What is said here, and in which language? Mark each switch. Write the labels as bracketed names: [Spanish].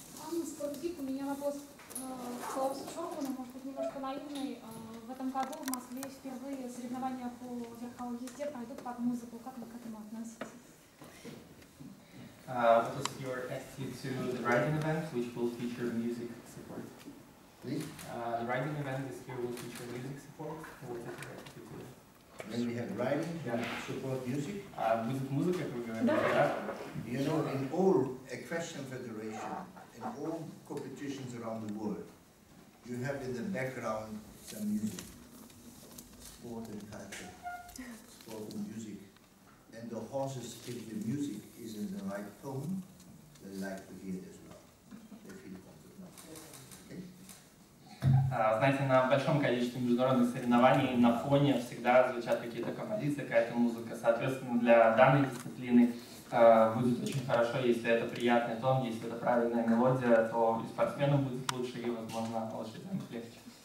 [Russian] Анна Скорбик, у меня вопрос к Клаусу Шорману, может быть, немножко наивный. В этом году в Москве впервые соревнования по верховой езде пройдут под музыку. Как вы к этому относитесь? [English] What was your attitude to the riding event, which will feature music support? The riding event this year will feature music support. What is your attitude to it? When we have riding, support music? [Russian] Музыка, как вы говорите, [English] да? You know, in all equestrian federation, in all competitions around the world, you have in the background some music, sport and culture, sport and music. And the horses think the music is in the right tone, they like to hear it as well. They feel comfortable. Okay? [Russian] Знаете, на большом количестве международных соревнований на фоне всегда звучат какие-то композиции, какая-то музыка. Соответственно, для данной дисциплины будет очень хорошо, если это приятный тон, если это правильная мелодия, то и спортсменам будет лучше, и, возможно, лошадям легче.